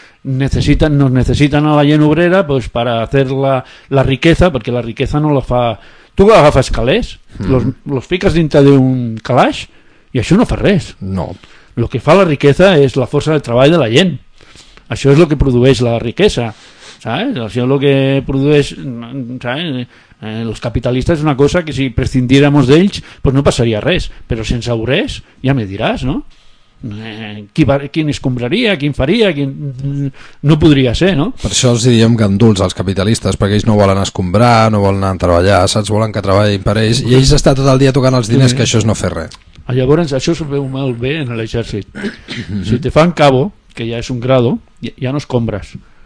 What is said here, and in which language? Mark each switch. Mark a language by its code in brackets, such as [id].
[ca] Necessiten a la gent obrera, [es] pues, para hacer la riqueza, [ca] perquè la riqueza no la fa... Tu agafes calés, los fiques dintre d'un calaix, i això no fa res. No. Lo que fa la riqueza és la força de treball de la gent. Això és lo que produeix la riquesa, [es] ¿sabes? [ca] Això és lo que produeix, [es] ¿sabes? Los capitalistas es una cosa que si prescindiéramos de ellos, pues no [ca] pasaría res, [es] pero sin saburés, ya me dirás, ¿no? ¿Quién escombraría? ¿Quién faría? No podría ser, ¿no? [ca] Per això els diem ganduls als capitalistes, perquè ells no volen escombrar, no volen anar a treballar, saps? Volen que treballin per ells, i ells estan tot el dia tocant els diners, que això és no fer res. Llavors això se veu molt bé en l'exèrcit. Si te fan cabo, que ja és un grado, ja no escombres.